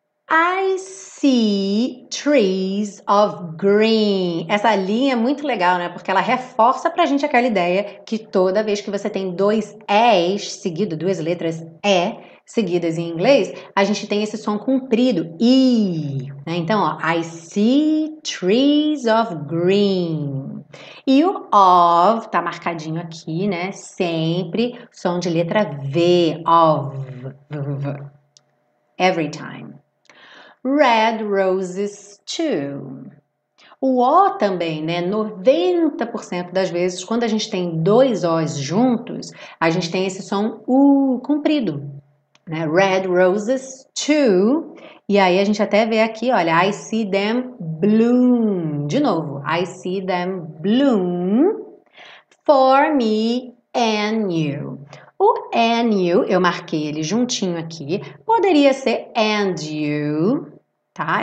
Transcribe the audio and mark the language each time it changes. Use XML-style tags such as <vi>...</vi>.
<en>I see trees of green.</en> <pt>Essa linha é muito legal, né? Porque ela reforça pra gente aquela ideia que toda vez que você tem dois es seguido, duas letras e, seguidas em inglês, a gente tem esse som comprido, I. Né? Então, ó,</pt> <en>I see trees of green.</en> <pt>E o of tá marcadinho aqui, né? Sempre som de letra V, of.</pt> <en>Every time. Red roses too.</en> <pt>O O também, né? 90% das vezes, quando a gente tem dois O's juntos, a gente tem esse som U comprido. Né?</pt> <en>Red roses too.</en> <pt>E aí a gente até vê aqui, olha,</pt> <en>I see them bloom.</en> <pt>De novo,</pt> <en>I see them bloom for me and you.</en> <pt>O</pt> <en>and you,</en> <pt>eu marquei ele juntinho aqui, poderia ser and you, tá?</pt>